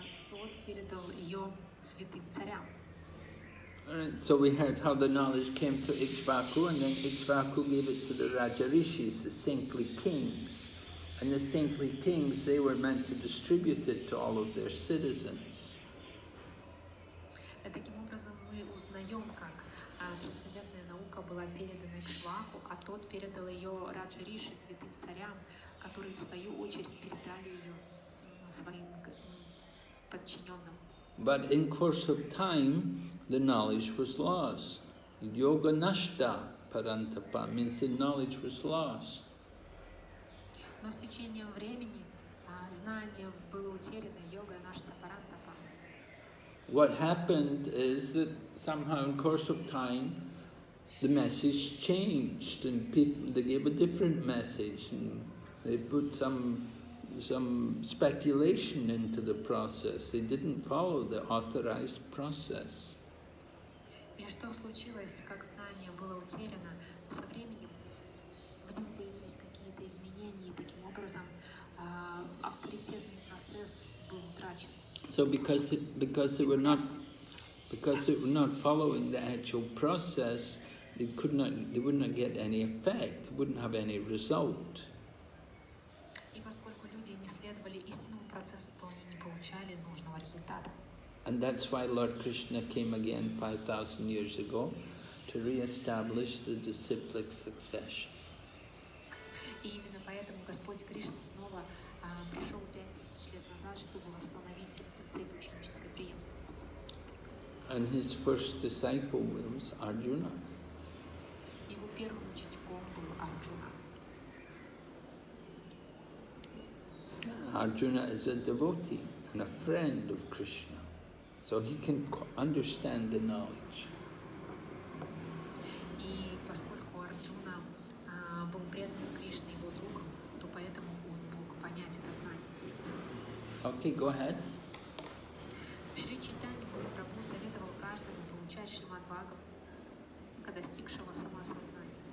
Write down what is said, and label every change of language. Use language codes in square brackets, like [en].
[ru] тот передал ее святым царям. [en] So we heard how the knowledge came to Ikshvaku, and then Ikshvaku gave it to the Rajarishis, the saintly kings. And the saintly kings, they were meant to distribute it to all of their citizens. [ru] Таким образом мы узнаем, как трансцендентная наука была передана Ikshvaku, а тот передал ее Раджариши, святым царям, которые в свою очередь передали ее своим подчиненным. [en] But in course of time, the knowledge was lost. [sa] Yoga nashta parantapa [en] means the knowledge was lost. [ru] Но с течением времени знание было утеряно. [sa] Йога нашта парантапа. [en] What happened is that somehow in course of time, the message changed and people they gave a different message and they put some speculation into the process. They didn't follow the authorized process. [ru] И что случилось, как знание было утеряно со временем? В нем появились какие-то изменения, и таким образом авторитетный процесс был утрачен. [en] So because they were not following the actual process, they would not get any effect. They wouldn't have any result. [ru] И поскольку люди не следовали истинному процессу, то они не получали нужного результата. [en] And that's why Lord Krishna came again 5,000 years ago to re-establish the disciplic succession. [ru] И именно поэтому Господь Кришна снова пришел 5,000 лет назад, чтобы восстановить цепь ученической преемственности. [en] And his first disciple was Arjuna. [ru] Его первым учеником был Арджуна. [en] Arjuna is a devotee and a friend of Krishna. So he can understand the knowledge. [ru] И поскольку Арджуна был преданным Кришне его другом, то поэтому он мог понять это знание. [en] Okay, go ahead. [ru] Шри Чайтанья Махапрабху советовал каждому получать Шримад-Бхагаватам, только достигшего самосознания.